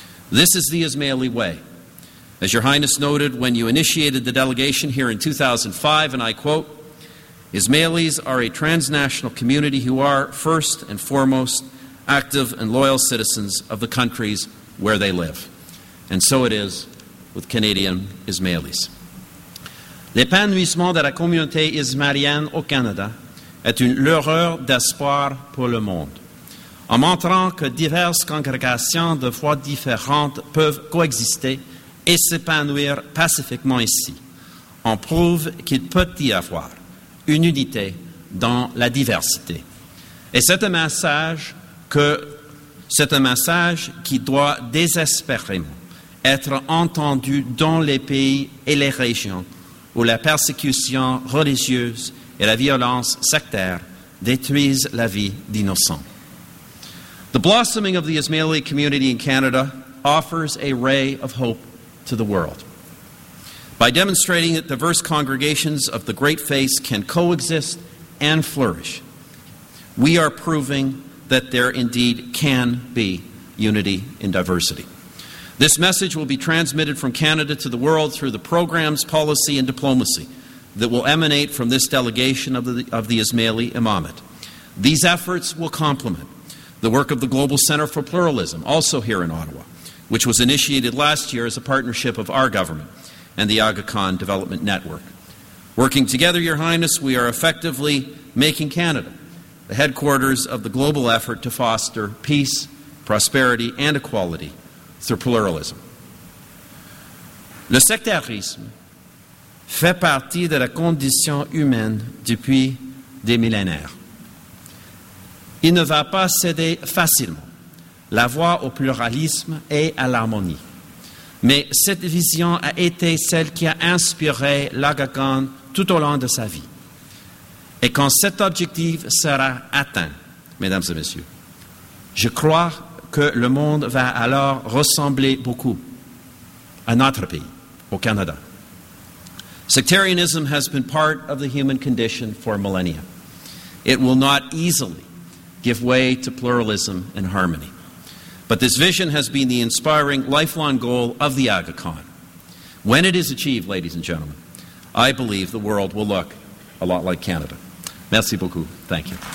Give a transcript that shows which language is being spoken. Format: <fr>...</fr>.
<en>This is the Ismaili way. As Your Highness noted when you initiated the delegation here in 2005, and I quote, Ismailis are a transnational community who are, first and foremost, active and loyal citizens of the countries where they live. And so it is with Canadian Ismailis.</en> <fr>L'épanouissement de la communauté ismaélienne au Canada est une lueur d'espoir pour le monde, en montrant que diverses congrégations de foi différentes peuvent coexister et s'épanouir pacifiquement ici. On prouve qu'il peut y avoir une unité dans la diversité. Et c'est un message qui doit désespérément être entendu dans les pays et les régions où la persécution religieuse et la violence sectaire détruisent la vie d'innocents.</fr> <en>The blossoming of the Ismaili community in Canada offers a ray of hope to the world. By demonstrating that diverse congregations of the great faith can coexist and flourish, we are proving that there indeed can be unity in diversity. This message will be transmitted from Canada to the world through the programs, policy, and diplomacy that will emanate from this delegation of the Ismaili Imamate. These efforts will complement the work of the Global Center for Pluralism, also here in Ottawa, which was initiated last year as a partnership of our government and the Aga Khan Development Network. Working together, Your Highness, we are effectively making Canada the headquarters of the global effort to foster peace, prosperity, and equality through pluralism.</en> <fr>Le sectarisme fait partie de la condition humaine depuis des millénaires. Il ne va pas céder facilement la voie au pluralisme et à l'harmonie. Mais cette vision a été celle qui a inspiré l'Aga Khan tout au long de sa vie. Et quand cet objectif sera atteint, mesdames et messieurs, je crois que le monde va alors ressembler beaucoup à notre pays, au Canada.</fr> <en>Sectarianism has been part of the human condition for millennia. It will not easily give way to pluralism and harmony. But this vision has been the inspiring, lifelong goal of the Aga Khan. When it is achieved, ladies and gentlemen, I believe the world will look a lot like Canada.</en> <fr>Merci beaucoup.</fr> <en>Thank you.</en>